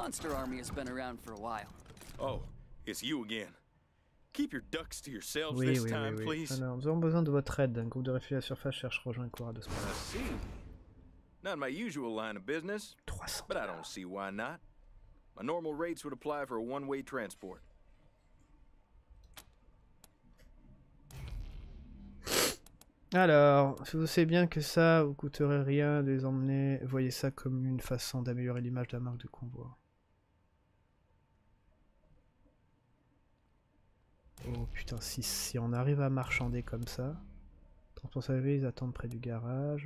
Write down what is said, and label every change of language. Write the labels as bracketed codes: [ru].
[en] The Monster Army has been around for a while. Oh, it's you again. Keep your ducks to yourselves this time, please. [fr] Oui. Alors, nous avons besoin de votre aide. Un groupe de réfugiés à la surface cherche rejoint Cora de ce moment. [en] Not my usual line of business. 300. But I don't see why not. My normal rates would apply for a one-way transport. [fr] Alors, si vous savez bien que ça vous coûterait rien de les emmener, voyez ça comme une façon d'améliorer l'image de la marque de convoi. Oh putain, si on arrive à marchander comme ça. Transport salvé, ils attendent près du garage.